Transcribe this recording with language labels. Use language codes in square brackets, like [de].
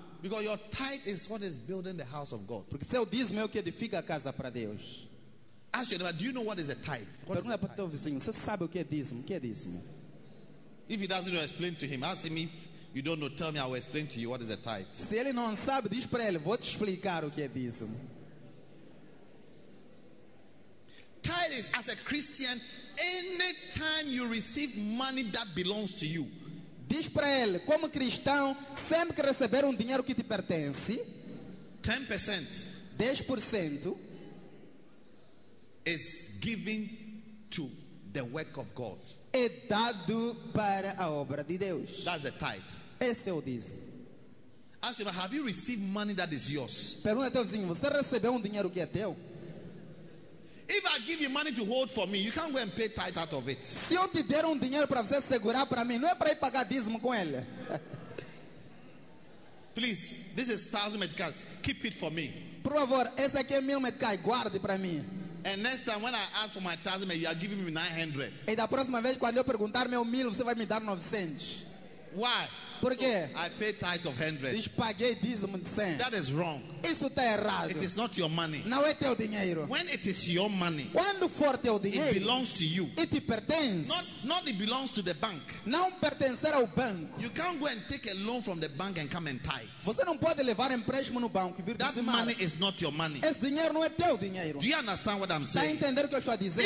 [en] Because your tithe is what is building the house of God. [pt] Porque seu dízimo é o que edifica a casa para Deus. [en] Ask your neighbor, do you know what is a tithe? [pt] Pergunta para o teu vizinho, você sabe o que é dízimo? O que é dízimo? [en] If he doesn't know, explain to him. Ask him, if you don't know, tell me, I will explain to you what is a tithe. [pt] Se ele não sabe, diz para ele, vou te explicar o que é dízimo. [en] Tithe is, as a Christian, any time you receive money that belongs to you. [pt] Diz para ele, como cristão, sempre que receber dinheiro que te pertence, [en] 10%. [pt] 10%. [en] Is given to the work of God. [pt] É dado para a obra de Deus. [en] That's the tithe. [pt] Esse é o dízimo. [en] Ask him, have you received money that is yours? [pt] Pergunta teu vizinho, você recebeu dinheiro que é teu? [en] If I give you money to hold for me, you can't go and pay tithe out of it. [pt] Se eu te der dinheiro para você segurar para mim, não é para ir pagar dízimo com ele. [en] Please, this is 1,000 medicais. Keep it for me. [pt] Por favor, esse aqui é 1,000 medicais. Guarde para mim. [en] And next time when I ask for my tithe, you are giving me 900. [pt] E da próxima vez quando eu perguntar meu 1,000, você vai me dar 900. [en] Why? [pt] Por quê? [en] So I pay tithe of 100. [pt] Diz, paguei dízimo de 100. [en] That is wrong. [pt] Isso está errado. [en] It is not your money. [pt] Não é teu dinheiro. [en] When it is your money. [pt] Quando for teu dinheiro. [en] It belongs to you. [pt] E te pertence. [en] Not it belongs to the bank. [pt] Não pertence ao banco. [en] You can't go and take a loan from the bank and come and tithe. [pt] Você não pode levar empréstimo no banco e vir [en] dizimar. That money is not your money. [pt] Esse dinheiro não é teu dinheiro. [en] Do you understand what I'm saying? [pt] Tá entendendo o que eu estou a dizer?